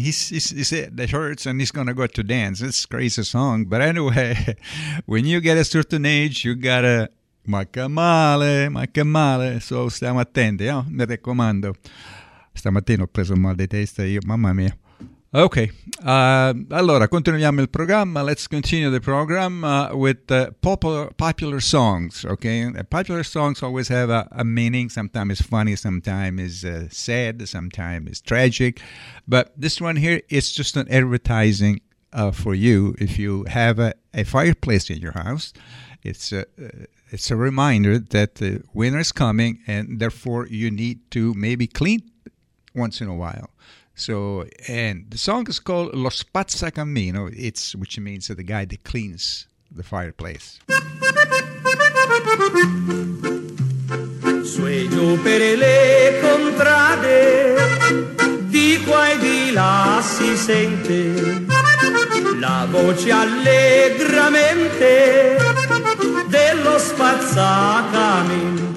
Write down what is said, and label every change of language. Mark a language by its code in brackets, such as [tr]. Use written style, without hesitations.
[en] He hurts and he's gonna go to dance. It's a crazy song. But anyway, when you get a certain age, you gotta... [it] Ma che male, ma che male. So stiamo attenti, no? Mi raccomando. Stamattina ho preso un mal di testa io, mamma mia. Ok, allora continuiamo il programma. [en] Let's continue the program with popular songs. Ok, popular songs always have a meaning. Sometimes it's funny, sometimes it's sad, sometimes it's tragic. But this one here is just an advertising for you. If you have a fireplace in your house, it's a reminder that the winter is coming and therefore you need to maybe clean once in a while. So, and the song is called Lo Spazzacamino, it's which means the guy that cleans the fireplace. [it] Sueño per le contrade, di qua e di là si sente la voce allegramente dello spazzacamino.